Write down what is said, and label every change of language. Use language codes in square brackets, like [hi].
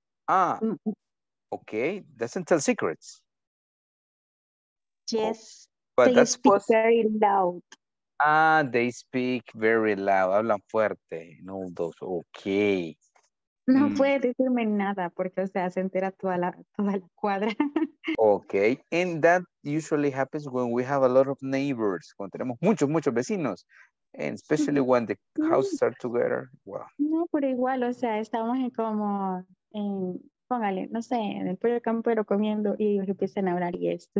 [en] Ah, okay. Doesn't tell secrets. Yes. Oh, but they speak very loud. Ah, they speak very loud. [es] Hablan fuerte. [en] No, those. Okay. [es] No puede decirme nada porque, o sea, se entera toda la cuadra. [en] Okay. And that usually happens when we have a lot of neighbors. [es] Cuando tenemos muchos, muchos vecinos. [en] And especially when the houses are together. Wow. [es] No, pero igual, o sea, estamos en como, en, póngale, no sé, en el pollo campero comiendo y ellos empiezan a hablar y esto.